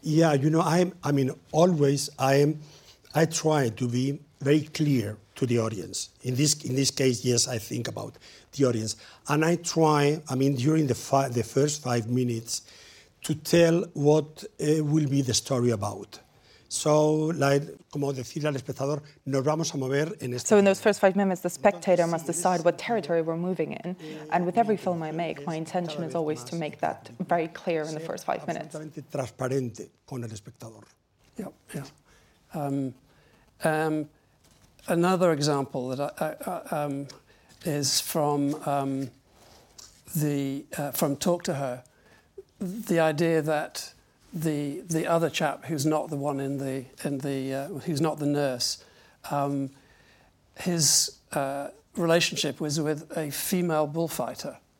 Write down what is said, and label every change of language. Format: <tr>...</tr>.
<en>Yeah, you know, I try to be very clear to the audience. In this case, yes, I think about the audience, and I try. I mean, during the first 5 minutes, to tell what will be the story about.</en> <es>So, like, como decirle al espectador, nos vamos a mover en este.</es> <en>So, in those first 5 minutes, the spectator must decide what territory we're moving in. And with every film I make, my intention is always to make that very clear in the first 5 minutes.</en> <es>Absolutamente transparente con el espectador.</es> <en>Yeah, yeah. Another example that I is from from Talk to Her, the idea that the other chap who's not the one who's not the nurse, his relationship was with a female bullfighter.</en>